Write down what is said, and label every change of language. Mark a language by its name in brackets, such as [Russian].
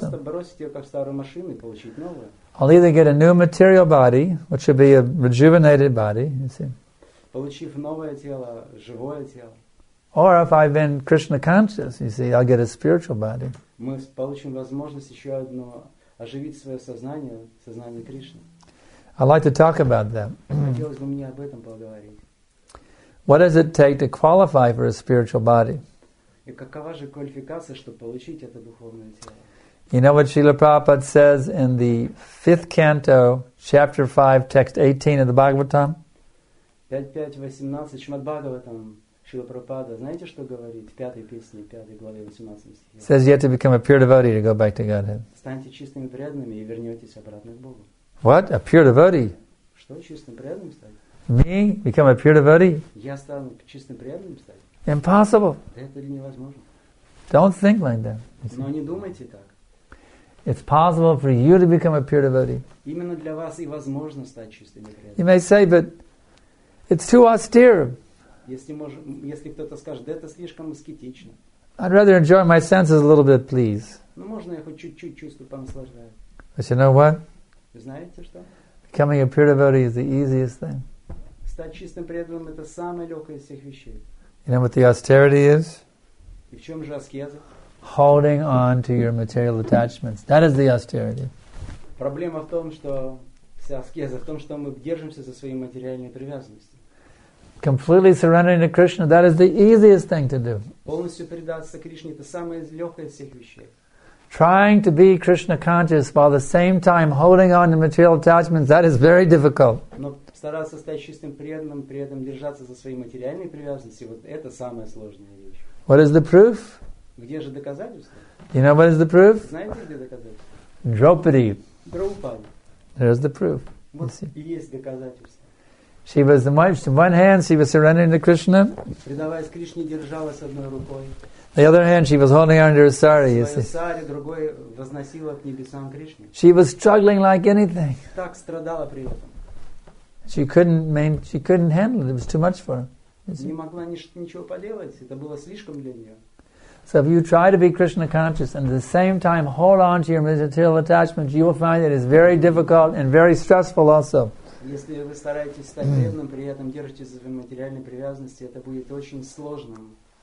[Russian] просто бросить ее как старую машину и получить новую. [English] I'll either get a new material body, which should be a rejuvenated body, you see. [Russian] Получив новое тело, живое тело. [English] Or if I've been Krishna conscious, you see, I'll get a spiritual body. [Russian] Мы получим возможность еще одно оживить свое сознание, сознание Кришны. [English] I'd like to talk about that. [Russian] Хотелось бы мне об этом поговорить. [English] What does it take to qualify for a spiritual body? [Russian] И какова же квалификация, чтобы получить это духовное тело? [English] You know what Srila Prabhupada says in the 5th canto, chapter 5, text 18 of the Bhagavatam? [Russian] 5.5.18, Shrimad Bhagavatam, Srila Prabhupada, знаете, что говорит? В 5-й песне, 5-й главе, 18 стихе. [English] Says you have to become a pure devotee to go back to Godhead. [Russian] Станьте чистыми преданными и вернетесь обратно к Богу. [English] What? A pure devotee? [Russian] Что чистым преданным стать? [English] Me? Become a pure devotee? [Russian] Я стану чистым преданным стать? [English] Impossible. [Russian] Да это ли невозможно? [English] Don't think like that. [Russian] Но не думайте так. [English] It's possible for you to become a pure devotee. [Russian] Именно для вас и возможно стать чистым преданным. [English] You may say, but it's too austere. [Russian] Если кто-то скажет, это слишком аскетично. [English] I'd rather enjoy my senses a little bit, please. [Russian] Ну можно я хоть чуть-чуть чувствую, понаслаждаюсь. [English] But you know what? [Russian] Вы знаете что? [English] Becoming a pure devotee is the easiest thing. [Russian] Стать чистым преданным это самое легкое из всех вещей. [English] You know what the austerity is? [Russian] И в чем же аскеза? [English] Holding on to your material attachments. That is the austerity. [Russian] Проблема в том, что вся аскеза в том, что мы держимся за свои материальные привязанности. [English] Completely surrendering to Krishna, that is the easiest thing to do. [Russian] Полностью предаться Кришне, это самое легкое из всех вещей. [English] Trying to be Krishna conscious while at the same time holding on to material attachments, that is very difficult. [Russian] Но стараться стать чистым преданным, при этом держаться за свои материальные привязанности, вот это самая сложная вещь. [English] What is the proof? [Russian] Где же доказательство? [English] You know what is the proof? [Russian] Знаете, где доказательство? [English] Draupadi. [Russian] Draupadi. [English] There's the proof. [Russian] Вот и есть доказательство. [English] She was the much, in one hand, she was surrendering to Krishna. [Russian] Предаваясь Кришне, держалась одной рукой. [English] The other hand, she was holding on to her sari, you see. [Russian] Сари, другой возносила к небесам Кришне. [English] She was struggling like anything. [Russian] Так страдала при этом. [English] She couldn't handle it. It was too much for her. [Russian] Не могла ничего поделать. Это было слишком для нее. [English] So if you try to be Krishna conscious and at the same time hold on to your material attachments, you will find that it is very difficult and very stressful also. [Russian] Если вы стараетесь стать преданным, при этом держитесь за материальные привязанности, это будет очень сложным.